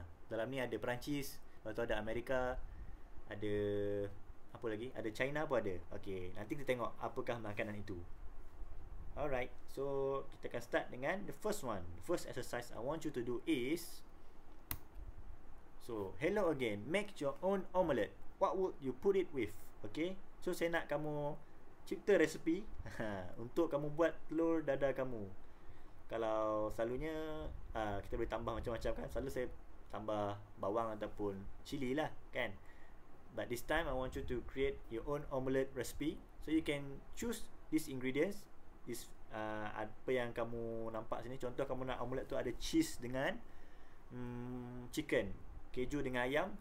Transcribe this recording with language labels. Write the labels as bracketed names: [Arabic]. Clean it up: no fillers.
[Malay] Dalam ni ada Perancis, lepas tu ada Amerika, ada apa lagi? Ada China pun ada. Okay, nanti kita tengok apakah makanan itu. Alright, so kita akan start dengan the first one. [English] The first exercise I want you to do is, so hello again, make your own omelette. What would you put it with? [Malay] Okay, so saya nak kamu cipta resipi untuk kamu buat telur dadar kamu. Kalau selalunya kita boleh tambah macam-macam kan. Selalu saya tambah bawang ataupun cili lah kan. [English] But this time I want you to create your own omelette recipe. So you can choose these ingredients. [Malay] Is apa yang kamu nampak sini. Contoh kamu nak omelet tu ada cheese dengan chicken, keju dengan ayam.